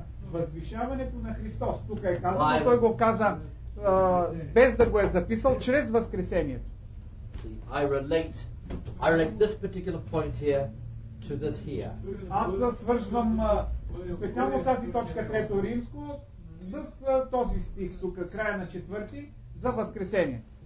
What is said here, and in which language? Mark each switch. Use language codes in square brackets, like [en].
[bg] Възвишаването на Христос тук е казано, той го каза без да го е записал чрез възкресението. [en] I relate this particular point here to this here. [bg] Аз свързвам специално тази точка трето римско с този стих тук края на четвърти за възкресение.